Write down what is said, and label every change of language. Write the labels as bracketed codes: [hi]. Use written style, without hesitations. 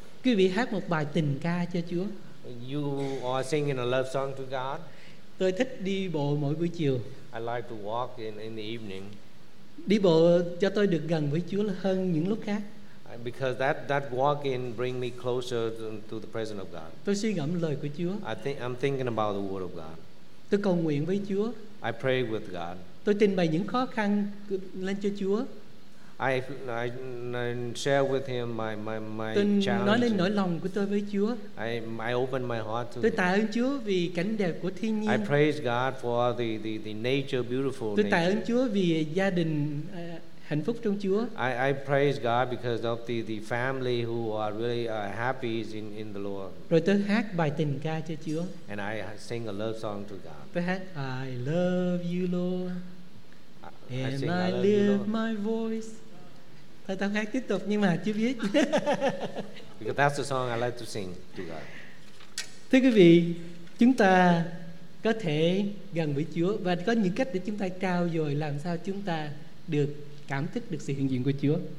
[vi] Quý vị hát một bài tình ca cho Chúa. [en] You are singing a love song to God. [vi] Tôi thích đi bộ mỗi buổi chiều. [en] I like to walk in the evening. [vi] Đi bộ cho tôi được gần với Chúa hơn những lúc khác. [en] Because that walking bring me closer to the presence of God. [vi] Tôi suy ngẫm lời của Chúa. [en] I'm thinking about the word of God. [vi] Tôi cầu nguyện với Chúa. [en] I pray with God. [vi] Tôi trình bày những khó khăn lên cho Chúa. [en] I share with him my challenges. [vi] Tôi nói lên nỗi lòng của tôi với Chúa. [en] I open my heart to [vi] Tôi tạ ơn Chúa vì cảnh đẹp của thiên nhiên. [en] I praise God for the nature, beautiful [vi] nature. Tôi tạ ơn Chúa vì gia đình hạnh phúc trong Chúa. [en] I praise God because of the family who are really happy in the Lord. [vi] Rồi tôi hát bài tình ca cho Chúa. [en] And I sing a love song to God. [vi] Tôi hát [en] I love you Lord. And I lift my voice. [vi] Tôi đang hát tiếp tục nhưng mà chưa biết. [en] Because that's the song I like to sing to God. [vi] Thưa quý vị, chúng ta có thể gần với Chúa và có những cách để chúng ta trao dồi làm sao chúng ta được cảm thức được sự hiện diện của Chúa.